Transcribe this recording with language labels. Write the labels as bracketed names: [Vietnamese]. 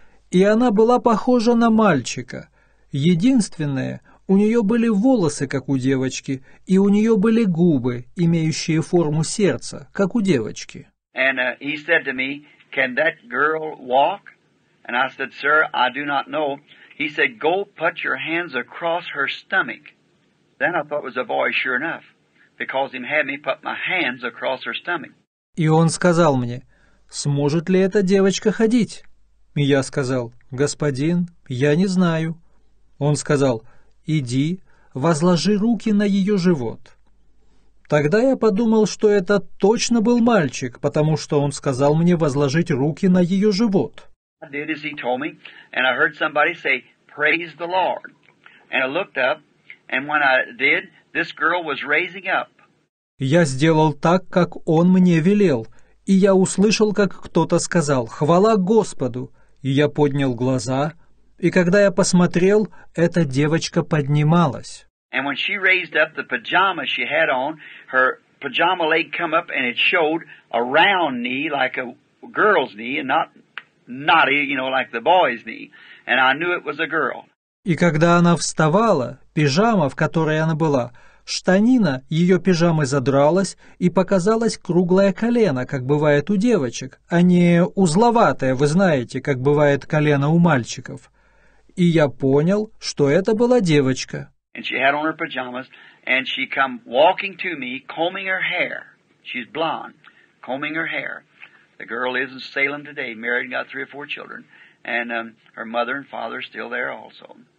[Russian] И она была похожа на мальчика. Единственное, у нее были волосы, как у девочки, и у нее были губы, имеющие форму сердца, как у девочки. [English] And he said to me, can that girl walk? And I said, sir, I do not know. He said, go put your hands across her stomach. Then I thought it was a boy, sure enough, because he had me put my hands across her stomach. [Russian] И он сказал мне, сможет ли эта девочка ходить? И я сказал, господин, я не знаю. Он сказал, иди, возложи руки на ее живот. Тогда я подумал, что это точно был мальчик, потому что он сказал мне возложить руки на ее живот. [English] I did as he told me, and I heard somebody say, praise the Lord. And I looked up, and when I did, this girl was raising up. [Russian] Я сделал так, как он мне велел, и я услышал, как кто-то сказал, хвала Господу. И я поднял глаза, и когда я посмотрел, эта девочка поднималась. [English] And when she raised up the pajama she had on, her pajama leg come up and it showed a round knee like a girl's knee and not knotty, you know, like the boy's knee. And I knew it was a girl. [Russian] И когда она вставала, пижама, в которой она была, штанина ее пижамы задралась и показалось круглое колено, как бывает у девочек, а не узловатое, вы знаете, как бывает колено у мальчиков. И я понял, что это была девочка. [English] And she had on her pajamas, and she come walking to me, combing her hair. She's blonde, combing her hair. The girl is in Salem today, married and got three or four children, and her mother and father are still there also.